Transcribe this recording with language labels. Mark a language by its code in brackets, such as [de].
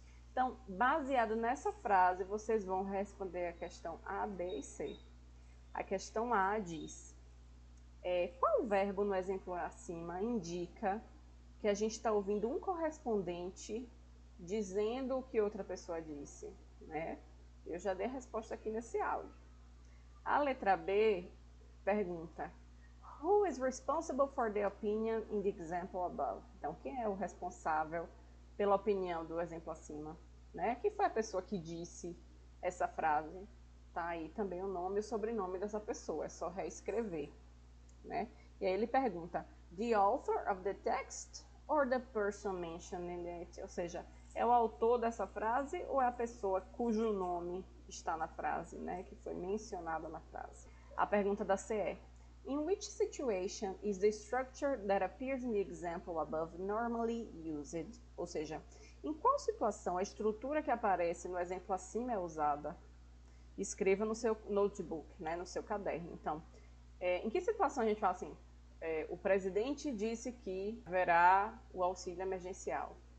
[pt] Então, baseado nessa frase, vocês vão responder a questão A, B e C. A questão A diz: qual verbo no exemplo acima indica que a gente está ouvindo um correspondente dizendo o que outra pessoa disse, né? Eu já dei a resposta aqui nesse áudio. A letra B pergunta: [en] Who is responsible for the opinion in the example above? [pt] Então, quem é o responsável pela opinião do exemplo acima? Né? Quem foi a pessoa que disse essa frase? Tá aí também o nome e o sobrenome dessa pessoa, é só reescrever, né? E aí ele pergunta: [en] The author of the text or the person mentioning it? [pt] Ou seja, é o autor dessa frase ou é a pessoa cujo nome está na frase, né? Que foi mencionada na frase. A pergunta da CE: [en] In which situation is the structure that appears in the example above normally used? [pt] Ou seja, em qual situação a estrutura que aparece no exemplo acima é usada? Escreva no seu notebook, né, no seu caderno. Então, em que situação a gente fala assim: o presidente disse que haverá o auxílio emergencial?